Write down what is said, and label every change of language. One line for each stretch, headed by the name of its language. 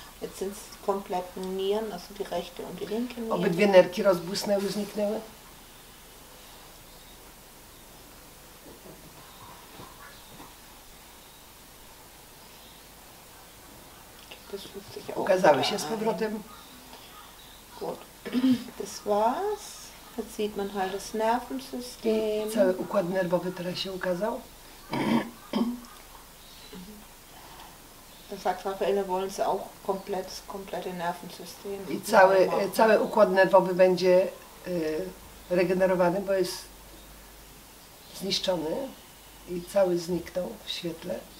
German: Jetzt sind die kompletten Nieren, also die rechte und die linke Niere.
Polish: Obydwie nerki rozbłysnęły, zniknęły.
German: Das fühlt
Polish: ukazały się z powrotem.
German: Gut. Das war's. Jetzt sieht man halt das Nervensystem.
Polish: Cały układ nerwowy teraz się ukazał.
German: Das sagt Raffaele, wollen Sie auch komplett, das komplette Nervensystem?
Polish: I cały układ nerwowy będzie regenerowany, bo jest zniszczony i cały zniknął w świetle.